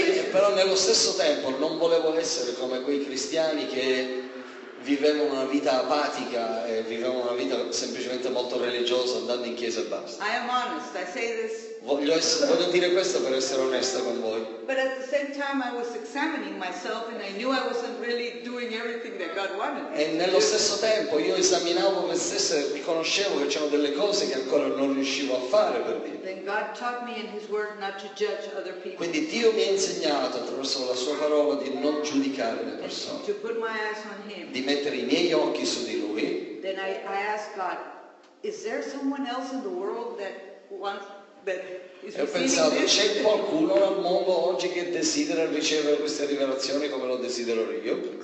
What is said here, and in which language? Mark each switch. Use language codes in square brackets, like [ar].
[it] però nello stesso tempo non volevo essere come quei cristiani che vivevano una vita apatica e vivevano una vita semplicemente molto religiosa andando in chiesa e basta. [en] I am honest, I say this. [it] Voglio dire questo per essere onesta con voi. [en] But at the same time I was examining myself and I knew I wasn't really doing everything that God wanted. [it] E nello stesso tempo io esaminavo me stesso e riconoscevo che c'erano delle cose che ancora non riuscivo a fare per Dio. [en] Then God taught me in His Word not to judge other people. [it] Quindi Dio mi ha insegnato attraverso la Sua parola di non giudicare le persone. [en] To put my eyes on Him. [it] Di mettere i miei occhi su di Lui. [en] Then I asked God, is there someone else in the world that wants? [it] E ho pensato, c'è qualcuno al mondo oggi che desidera ricevere queste rivelazioni come lo desidero io?